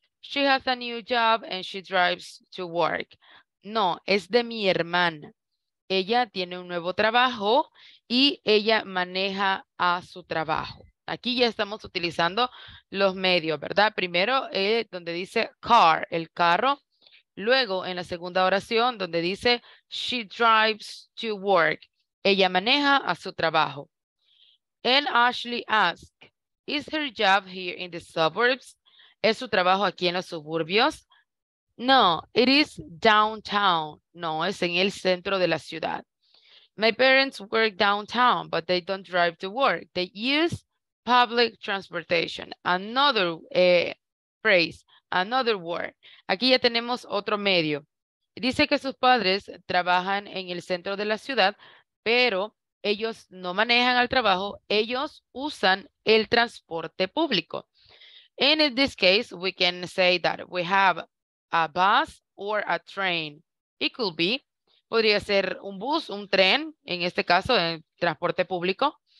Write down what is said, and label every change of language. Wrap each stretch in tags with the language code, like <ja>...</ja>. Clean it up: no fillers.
<en>She has a new job and she drives to work.</en> <es>No, es de mi hermana. Ella tiene un nuevo trabajo y ella maneja a su trabajo. Aquí ya estamos utilizando los medios, ¿verdad? Primero, donde dice car, el carro. Luego, en la segunda oración, donde dice</es> <en>she drives to work.</en> <es>Ella maneja a su trabajo.</es> <en>And Ashley asks, is her job here in the suburbs?</en> <es>¿Es su trabajo aquí en los suburbios?</es> <en>No, it is downtown.</en> <es>No, es en el centro de la ciudad.</es> <en>My parents work downtown, but they don't drive to work. They use public transportation. Another phrase, another word.</en> <es>Aquí ya tenemos otro medio. Dice que sus padres trabajan en el centro de la ciudad, pero ellos no manejan al trabajo. Ellos usan el transporte público.</es> <en>And in this case, we can say that we have a bus or a train. It could be.</en> <es>Podría ser un bus, un tren, en este caso, en transporte público.</es>